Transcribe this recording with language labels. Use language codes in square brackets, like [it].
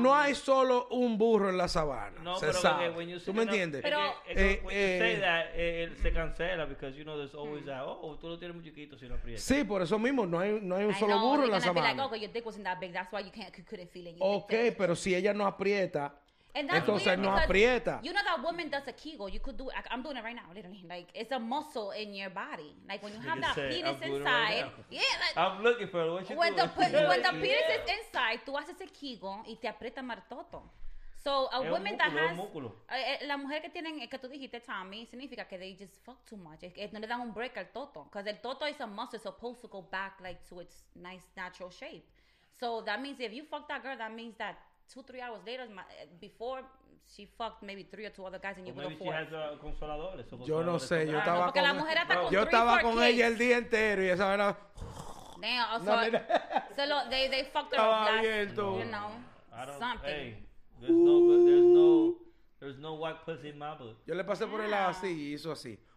[es] No hay solo un burro en la sabana. No, se pero sabe. Okay, tú me entiendes. Pero se cancela [en] because you know there's always that. [es] Oh, tú lo tienes muy chiquito si no aprietas. Sí, por eso mismo no hay un solo burro en la sabana. [en] Like, okay, your dick wasn't that big. That's why you couldn't feel it. Your okay, [es] pero si ella no aprieta, entonces no aprieta. [en] You know that woman does a Kegel. You could do it. I'm doing it right now, literally. Like it's a muscle in your body. Like when you have that penis inside. Yeah, like I'm looking for it. What you doing? When the penis is inside, [es] tú haces el Kegel y te aprieta martoto. [en] So a woman that has [es] la mujer que tienen que tú dijiste Tommy significa que [en] they just fuck too much. [es] No le dan un break al toto, [en] because [es] el toto [en] is a muscle. It's supposed to go back like to its nice natural shape. So that means if you fuck that girl, that means that 2-3 hours later, before she fucked maybe 3 or 2 other guys, and you were the 4th. [es] Yo no sé, yo estaba con ella. Yo estaba con ella el día entero y esa era. [en] Damn, also, so they fucked her up last, abierto. You know, something. Hey, there's no whack pussy in my book. [es] Yo le pasé por el lado así y hizo así.